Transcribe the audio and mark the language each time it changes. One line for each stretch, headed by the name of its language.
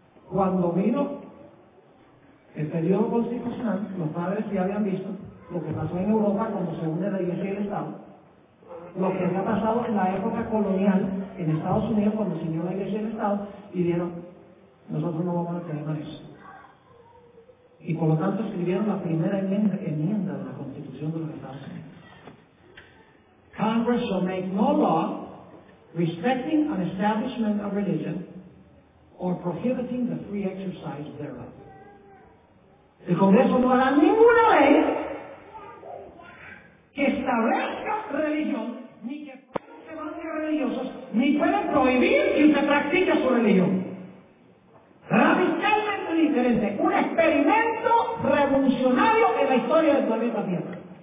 Spanish: Cuando vino el periodo constitucional, los padres ya habían visto lo que pasó en Europa cuando se une la iglesia y el Estado, lo que había pasado en la época colonial en Estados Unidos cuando se unió la iglesia y el Estado, y dijeron, nosotros no vamos a tener eso. Y por lo tanto escribieron la primera enmienda de la Constitución de los Estados Unidos.
English: Congress shall make no law respecting an establishment of religion or prohibiting the free exercise thereof.
Spanish: El Congreso no hará ninguna ley que establezca religión, ni que puedan ser antirreligiosos, ni puedan prohibir que usted practique su religión. Radicalmente diferente, un experimento revolucionario en la historia del planeta Tierra.